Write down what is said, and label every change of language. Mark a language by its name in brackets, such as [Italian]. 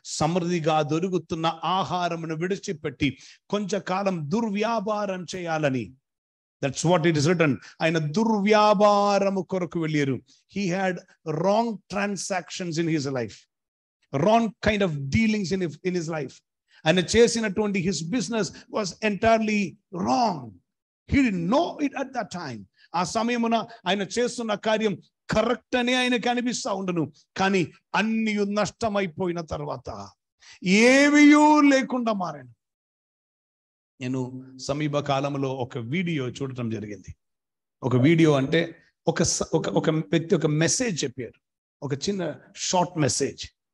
[Telugu] సమృద్ధిగా దొరుకుతున్న ఆహారమును విడిచిపెట్టి కొంచెంకాలం దుర్వ్యాపారం చేయాలని, [English] That's what it is written. [Telugu] ఆయన దుర్వ్యాపారము కొరకు వెళ్ళారు. [English] He had wrong transactions in his life, wrong kind of dealings in his life. [Telugu] ఆయన చేసినటువంటి [English] His business was entirely wrong. He didn't know it at that time. [Telugu] ఆ సమయమున ఆయన చేస్తున్న కార్యం కరెక్ట్ అని ఆయనకి అనిపిస్తూ ఉండను, కానీ అన్ని నష్టమైపోయిన తర్వాత ఏవియూ లేకుండా మారాను. నేను సమీప కాలంలో ఒక వీడియో చూడటం జరిగింది. ఒక వీడియో అంటే ఒక వ్యక్తి ఒక మెసేజ్ చెప్పారు, ఒక చిన్న షార్ట్ మెసేజ్.